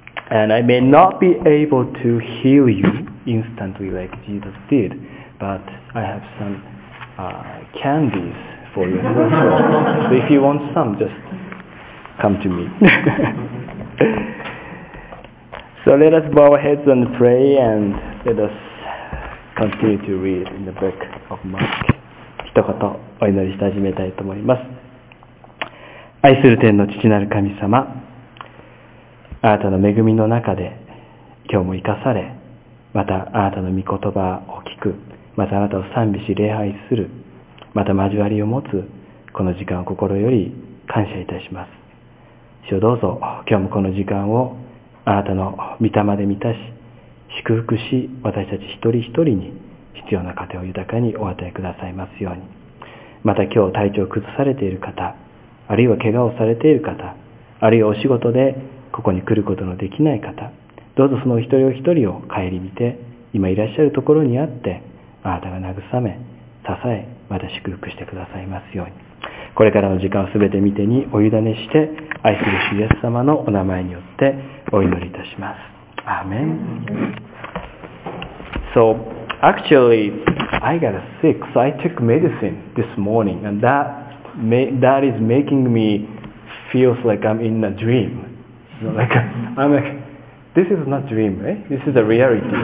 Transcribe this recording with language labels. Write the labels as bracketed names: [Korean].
[English] And I may not be able to heal you instantly like Jesus did, but I have some candies for you. So if you want some, just come to me. So let us bow our heads and pray, and let us continue to read in the book of Mark. [Japanese] 一言お祈りして始めたいと思います。愛する天の父なる神様、あなたの恵みの中で今日も生かされ、またあなたの御言葉を聞く、またあなたを賛美し礼拝する、また交わりを持つこの時間を心より感謝いたします。主よどうぞ今日もこの時間をあなたの御霊で満たし、祝福し、私たち一人一人に必要な糧を豊かにお与えくださいますように。また今日体調を崩されている方、あるいは怪我をされている方、あるいはお仕事でここに来ることのできない方、どうぞその一人お一人を顧みて、今いらっしゃるところにあって、あなたが慰め、支え、また祝福してくださいますように。これからの時間をすべて御手にお委ねして、愛する主イエス様のお名前によってお祈りいたします。アーメン。 [English] So, actually, I got sick, so I took medicine this morning, and that is making me feel like I'm in a dream. I'm like, this is not a dream, right? This is a reality.